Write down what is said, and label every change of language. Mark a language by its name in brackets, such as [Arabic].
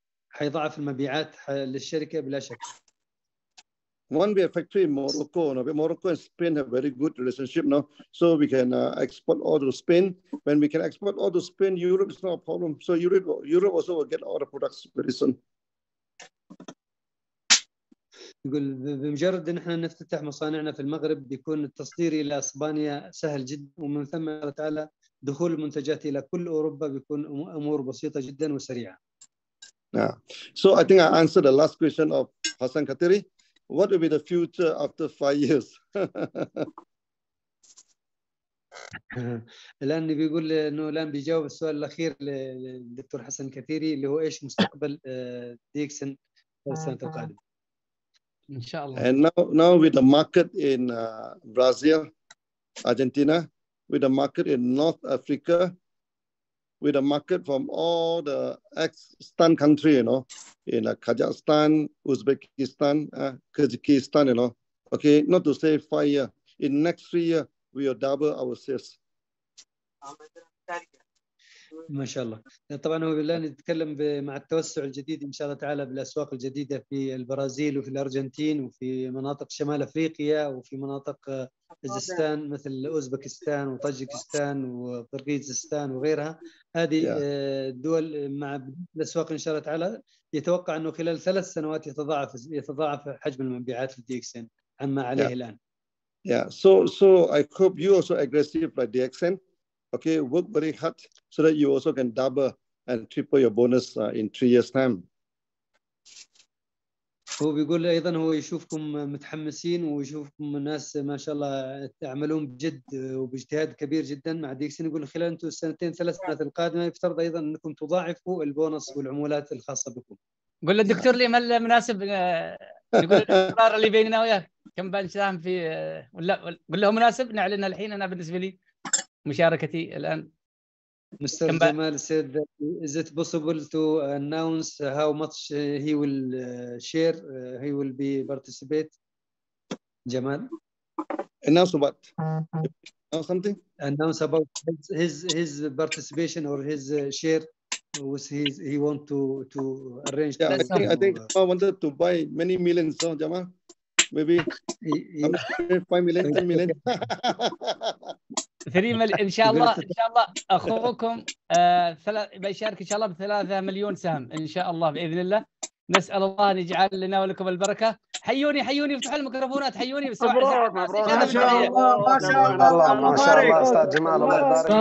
[Arabic] حيضاعف المبيعات للشركه بلا شك. [English] One be a factory in Morocco. No, Morocco and Spain have very good relationship now, so we can export all to Spain. When we can export all to Spain, Europe is not a problem. So Europe also will get all the products very soon. [Arabic] يقول بمجرد ان احنا نفتتح مصانعنا في المغرب بيكون التصدير الى اسبانيا سهل جدا ومن ثم تعالى دخول المنتجات الى كل اوروبا بيكون امور بسيطه جدا وسريعه. [English] Yeah. So I think I answered the last question of Hassan Kateri. What will be the future after 5 years? [Arabic] الآن بيقول إنه الآن بيجاوب السؤال الأخير للدكتور حسن كثيري اللي هو إيش مستقبل ديكسن في السنة القادمة؟ إن شاء الله. [English] And now with the market in Brazil, Argentina, with the market in North Africa, with a market from all the ex-Stan country, you know, in Kazakhstan, Uzbekistan, Kyrgyzstan, you know, okay, not to say 5 years, in next 3 years, we will double our sales. [Arabic] ما شاء الله طبعا هو بالله نتكلم مع التوسع الجديد ان شاء الله تعالى بالاسواق الجديده في البرازيل وفي الارجنتين وفي مناطق شمال افريقيا وفي مناطق قزستان مثل اوزبكستان وطاجيكستان وقرغيزستان وغيرها هذه الدول مع الاسواق ان شاء الله تعالى يتوقع انه خلال 3 سنوات يتضاعف حجم المبيعات في DXN عما عليه الان. [English] So I hope you also aggressive by DXN. Okay, work very hard so that you also can double and triple your bonus in 3 years' time. [Arabic] هو بيقول أيضاً هو يشوفكم متحمسين ويشوفكم ناس ما شاء الله تعملون بجد وباجتهاد كبير جداً مع ديكسين يقول خلال أنتم السنتين 3 سنوات القادمة يفترض أيضاً أنكم تضاعفوا البونص والعمولات الخاصة بكم. قل الدكتور لي ما المناسب يقول القرار اللي بيننا وياه كم بنساهم في ولا قل له مناسب نعلن الحين أنا بالنسبة لي. مشاركتي الآن. [English] Mr. Jamal said, is it possible to announce how much he will share? He will be participate. Jamal. Announce what? Announce something? Announce about his participation or his share. Was he want to arrange? Yeah, I think I wanted to buy many millions. So Jama, maybe 5 million, 10 million. [Arabic] 3 مليون ان شاء الله. ان شاء الله اخوكم بيشارك ان شاء الله ب3 مليون سهم ان شاء الله باذن الله. نسال الله ان يجعل لنا ولكم البركه. حيوني افتحوا الميكروفونات حيوني. بسرعه مبروك ان شاء الله. ما شاء الله ما شاء الله استاذ جمال الله يبارك